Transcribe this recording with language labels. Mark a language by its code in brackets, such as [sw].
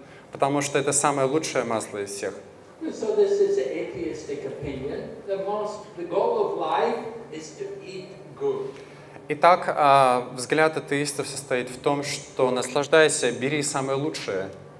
[ru] Потому что это самое лучшее масло из всех. [en] So this is an atheistic opinion. The goal of life is to eat good. [ru] Итак, взгляд атеистов состоит в том, что наслаждайся, бери самое лучшее.